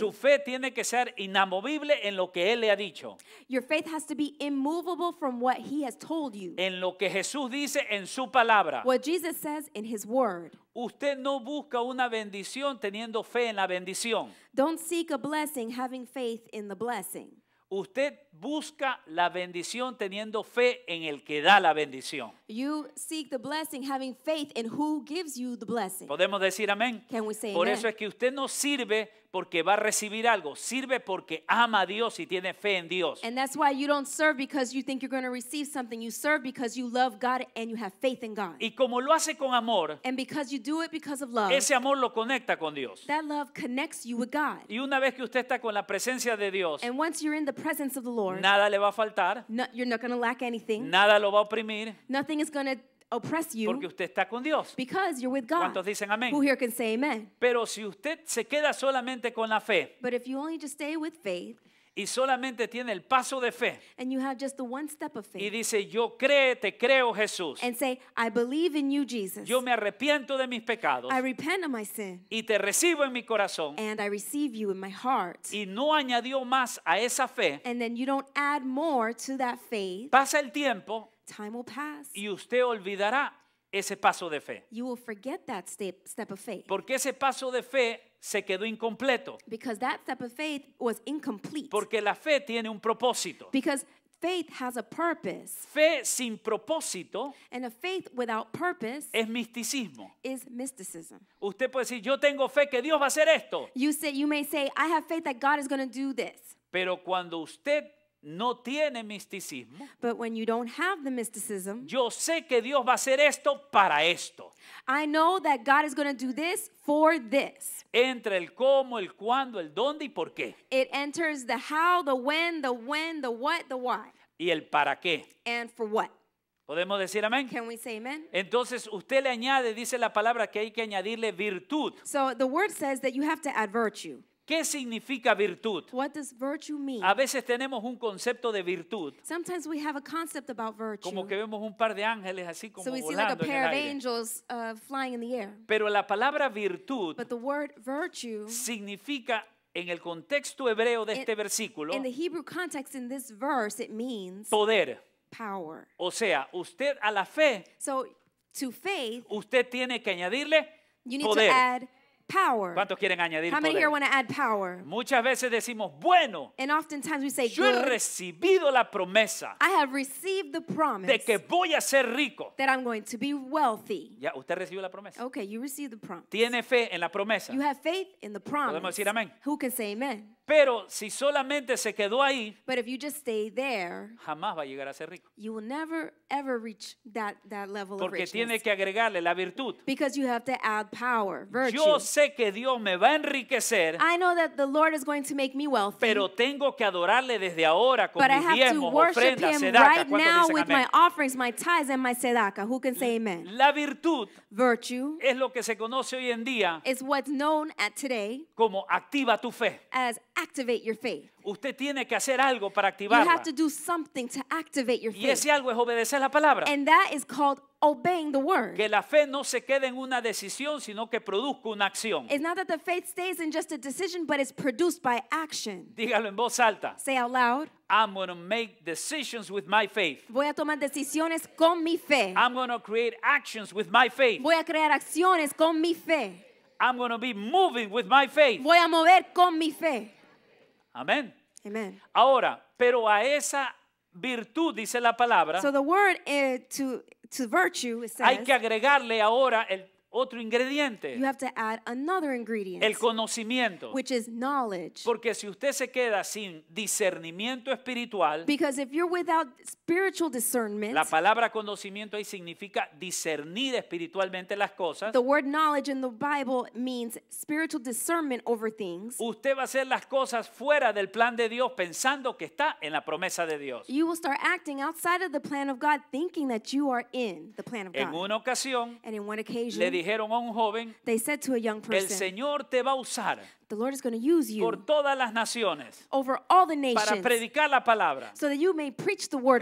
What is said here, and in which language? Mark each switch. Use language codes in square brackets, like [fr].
[es] Su fe tiene que ser inamovible en lo que Él le ha dicho. [en] Your faith has to be immovable from what He has told you. [es] En lo que Jesús dice en su palabra. [en] What Jesus says in His word. [es] Usted no busca una bendición teniendo fe en la bendición. [en] Don't seek a blessing having faith in the blessing. [es] Usted busca la bendición teniendo fe en el que da la bendición. [en] You seek the blessing having faith in who gives you the blessing. [es] ¿Podemos decir amén? [en] Can we say [es] por [en] amen? [es] Eso es que usted no sirve porque va a recibir algo, sirve porque ama a Dios y tiene fe en Dios. [en] And that's why you don't serve because you think you're going to receive something. You serve because you love God and you have faith in God. [es] Y como lo hace con amor, [en] and because you do it because of love, [es] ese amor lo conecta con Dios. [en] That love connects you with God. [es] Y una vez que usted está con la presencia de Dios, [en] and once you're in the presence of the Lord, [es] nada le va a faltar. [en] No, you're not going to lack anything. [es] Nada lo va a oprimir. [en] Nothing is going to oppress you. [es] Porque usted está con Dios. [en] Because you're with God. [es] ¿Cuántos dicen amén? [en] Who here can say amen? [es] Pero si usted se queda solamente con la fe, [en] but if you only just stay with faith, [es] y solamente tiene el paso de fe, [en] and you have just the one step of faith, [es] y dice yo cree, te creo Jesús, [en] and say I believe in you Jesus, [es] yo me arrepiento de mis pecados, [en] I repent of my sin, [es] y te recibo en mi corazón, [en] and I receive you in my heart, [es] y no añadió más a esa fe, [en] and then you don't add more to that faith, [es] pasa el tiempo, [en] time will pass, [es] y usted olvidará ese paso de fe. [en] You will forget that step of faith. [es] Porque ese paso de fe se quedó incompleto. [en] Because that step of faith was incomplete. [es] Porque la fe tiene un propósito. [en] Because faith has a purpose. [es] Fe sin propósito, [en] and a faith without purpose, [es] es misticismo. [en] Is mysticism. [es] Usted puede decir, yo tengo fe que Dios va a hacer esto. [en] You may say, I have faith that God is going to do this. [es] Pero cuando usted no tiene misticismo, [en] but when you don't have the mysticism, [es] yo sé que Dios va a hacer esto para esto. [en] I know that God is going to do this for this. [es] Entra el cómo, el cuándo, el dónde y por qué. [en] It enters the how, the when, the what, the why. [es] Y el para qué. [en] And for what. [es] ¿Podemos decir amén? [en] Can we say amen? [es] Entonces usted le añade, dice la palabra que hay que añadirle virtud. [en] So the word says that you have to add virtue. [es] ¿Qué significa virtud? [en] What does virtue mean? [es] A veces tenemos un concepto de virtud. [en] Sometimes we have a concept about virtue. [es] Como que vemos un par de ángeles así como volando en el aire. [en] So we see like a pair of angels flying in the air. [es] Pero la palabra virtud, [en] but the word virtue, [es] significa en el contexto hebreo de este versículo, [en] in the Hebrew context in this verse it means [es] poder. [en] Power. [es] O sea, usted a la fe, [en] so to faith, [es] usted tiene que añadirle [en] you need [es] poder. [en] To add power. [es] ¿Cuántos quieren añadir poder? [en] How many [es] poder? [en] Here want to add power? [es] Muchas veces decimos, bueno, [en] and oftentimes we say, [es] yo he recibido la promesa, [en] I have received the promise, [es] de que voy a ser rico, [en] that I'm going to be wealthy. [es] Ya, usted recibió la promesa. [en] Okay, you received the promise. [es] Tiene fe en la promesa. [en] You have faith in the promise. [es] ¿Podemos decir amén? [en] Who can say amen? [es] Pero si solamente se quedó ahí, [en] but if you just stay there, [es] jamás va a llegar a ser rico. [en] You will never ever reach that level [es] porque [en] of riches. [es] Porque tiene que agregarle la virtud. [en] Because you have to add power, virtue. [es] Yo sé que Dios me va a enriquecer. [en] I know that the Lord is going to make me wealthy. [es] Pero tengo que adorarle desde ahora con [en] but [es] mis diezmos, ofrendas, sedacas. [en] Right now with amen? My offerings, my tithes and my sedaca. Who can say amen? [es] La virtud [en] virtue [es] es lo que se conoce hoy en día [en] is what's known at today [es] como activa tu fe. [en] As activate your faith. [es] Usted tiene que hacer algo para activarla. [en] You have to do something to activate your faith. [es] Y ese algo es obedecer la palabra. [en] And that is called obeying the word. [es] Que la fe no se quede en una decisión, sino que produzca una acción. [en] It's not that the faith stays in just a decision, but it's produced by action. [es] Dígalo en voz alta. [en] Say out loud. I'm going to make decisions with my faith. [es] Voy a tomar decisiones con mi fe. [en] I'm going to create actions with my faith. [es] Voy a crear acciones con mi fe. [en] I'm going to be moving with my faith. [es] Voy a mover con mi fe. Amén. [en] Amen. [es] Ahora, pero a esa virtud dice la palabra. [en] So the word to virtue it says. [es] Hay que agregarle ahora el otro ingrediente. [en] You have to add another ingredient. [es] El conocimiento. [en] Which is knowledge. [es] Porque si usted se queda sin discernimiento espiritual. [en] Because if you're without spiritual discernment. [es] La palabra conocimiento ahí significa discernir espiritualmente las cosas. [en] The word knowledge in the Bible means spiritual discernment over things. [es] Usted va a hacer las cosas fuera del plan de Dios pensando que está en la promesa de Dios. [en] You will start acting outside of the plan of God thinking that you are in the plan of God. [es] En una ocasión. [en] And in one occasion. [es] Le dijeron a un joven, [en] they said to a young person, [es] el Señor te va a usar [en] the Lord is going to use you [es] por todas las naciones [en] over all the nations [es] para predicar la palabra. [en] So that you may preach the word